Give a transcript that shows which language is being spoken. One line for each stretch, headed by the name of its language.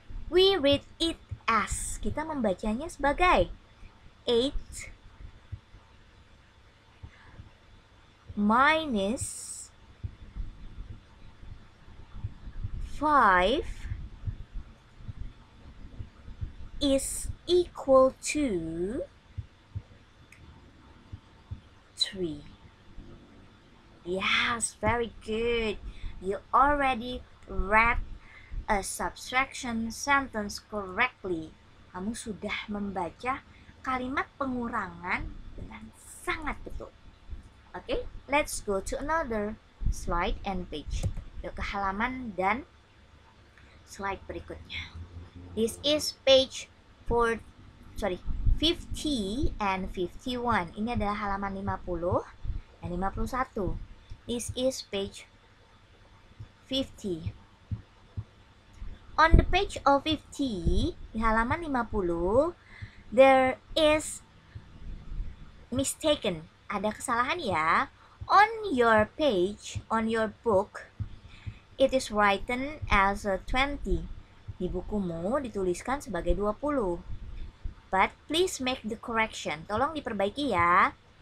English: We read it as,
Indonesian: kita membacanya sebagai
English: 8 minus 5 is equal to 3. Yes, very good. You already read a subtraction sentence correctly.
Indonesian: Kamu sudah membaca kalimat pengurangan dengan sangat betul.
English: Okay, let's go to another slide and page.
Indonesian: Yuk ke halaman dan slide berikutnya.
English: This is page 50 and 51.
Indonesian: Ini adalah halaman 50 dan 51.
English: This is page 50. On the page of 50,
Indonesian: di halaman 50,
English: there is mistaken.
Indonesian: Ada kesalahan ya.
English: On your page, on your book, it is written as 20.
Indonesian: Di bukumu dituliskan sebagai 20.
English: But please make the correction.
Indonesian: Tolong diperbaiki ya.